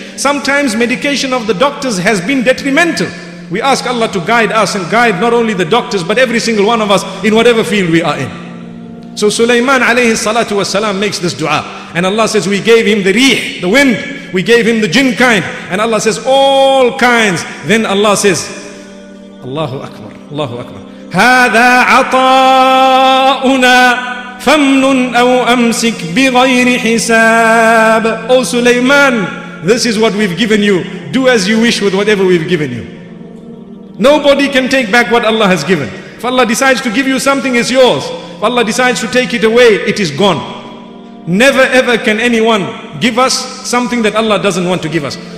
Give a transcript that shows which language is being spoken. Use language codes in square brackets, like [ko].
[en] Sometimes medication of the doctors has been detrimental. We ask Allah to guide us and guide not only the doctors but every single one of us in whatever field we are in. So Suleiman alayhi salatu wasalam makes this dua, and Allah says, we gave him the rih, the wind, we gave him the jinn kind, and Allah says, all kinds. Then Allah says, Allahu Akbar, Allahu Akbar. [ar] هذا عطاؤنا فامنن أو أمسك بغير حساب. [en] Oh Suleiman, this is what we've given you. Do as you wish with whatever we've given you. Nobody can take back what Allah has given. If Allah decides to give you something, it's yours. If Allah decides to take it away, it is gone. Never ever can anyone give us something that Allah doesn't want to give us.